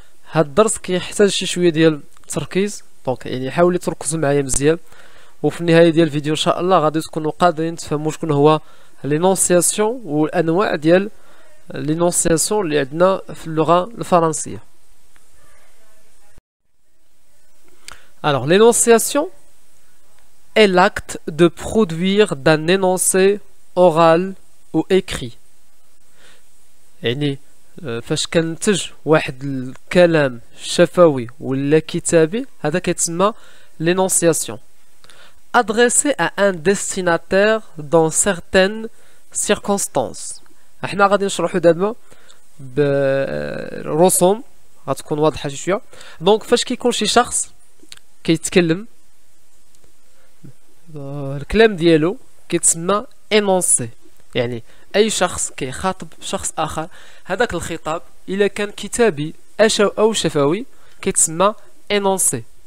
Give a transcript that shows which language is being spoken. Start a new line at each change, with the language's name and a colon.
Arabic: هذا الدرس كيحتاج شي شوية ديال التركيز، دونك يعني حاولي تركزوا معايا مزيان، وفي النهاية ديال الفيديو إن شاء الله غادي تكونوا قادرين تفهموا شكون هو الانونسياسيون والأنواع ديال لينونسياسيون اللي عندنا في اللغة الفرنسية.
French: alors l'énonciation est l'acte de produire d'un énoncé oral ou écrit.
Arabic: يعني فاش كننتج واحد الكلام شفوي ولا كتابي هذا كيتسمى l'énonciation.
French: adressé à un destinataire dans certaines circonstances.
Arabic: احنا غادي نشرحو دابا بالرسوم غتكون واضحه شي شويه. دونك فاش كيكون شي شخص كيتكلم الكلام ديالو كيتسمى انونسي، يعني اي شخص كيخاطب شخص اخر هذاك الخطاب الا كان كتابي او شفوي كيتسمى انونسي.